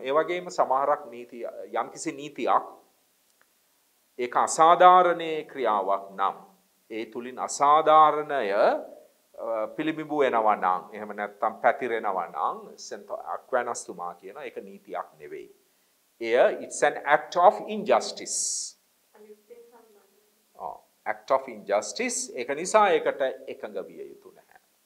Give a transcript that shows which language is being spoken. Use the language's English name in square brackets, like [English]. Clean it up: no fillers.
[Sinhala] ඒ වගේම සමහරක් නීති යම්කිසි නීතියක් ඒක අසාධාරණේ ක්‍රියාවක් නම් ඒ තුලින් අසාධාරණය පිළිබිබු වෙනවා නම් එහෙම නැත්නම් පැතිරෙනවා නම් අක්වැනස්තුමා කියන එක නීතියක් නෙවෙයි. [English] එය it's an act of injustice. [Sinhala] Act of injustice ඒක නිසා ඒකට එකඟ විය යුතු නැහැ.